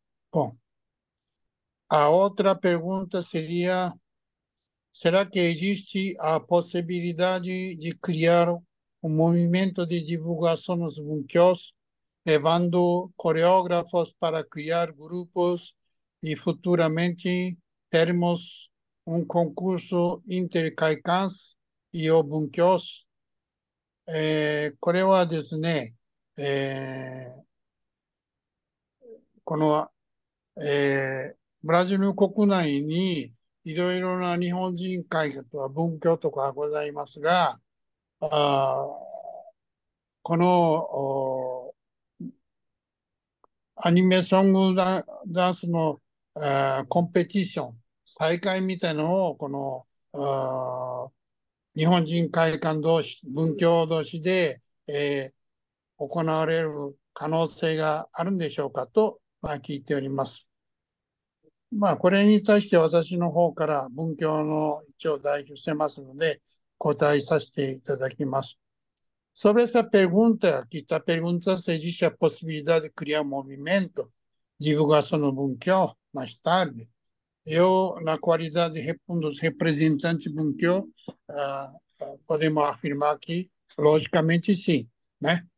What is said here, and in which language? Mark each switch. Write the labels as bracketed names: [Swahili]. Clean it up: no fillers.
[Portuguese] Bom, a outra pergunta seria: será que existe a possibilidade de criar um movimento de divulgação nos bunkyós, levando coreógrafos para criar grupos e futuramente termos um concurso entre Caicãs e o Bunkyós? [Japanese] これはですね、ブラジル国内にいろいろな日本人会とか文教とかございますが、アニメソングダンスのコンペティション、大会みたいなのを、日本人会館同士、文教同士で、行われる可能性があるんでしょうかと、聞いております。これに対して私の方から文教の一応代表してますので、答えさせていただきます。 [Portuguese] Sobre essa pergunta, que está perguntando se existe a possibilidade de criar um movimento de divulgação no Bunkyo mais tarde, eu, na qualidade de um dos representantes do Bunkyo, podemos afirmar que, logicamente, sim, né?